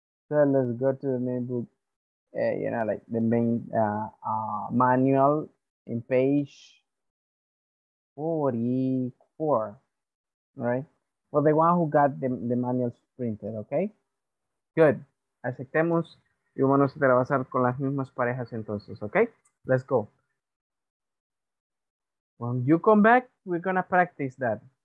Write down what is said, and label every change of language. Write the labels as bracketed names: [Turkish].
[English] So let's go to the main book, you know, like the main manual in page 44, right? For the one who got the manuals printed, okay? Good. [Spanish] Aceptemos y uno se va a hacer con las mismas parejas entonces, okay? [English] Let's go. When you come back, we're gonna practice that.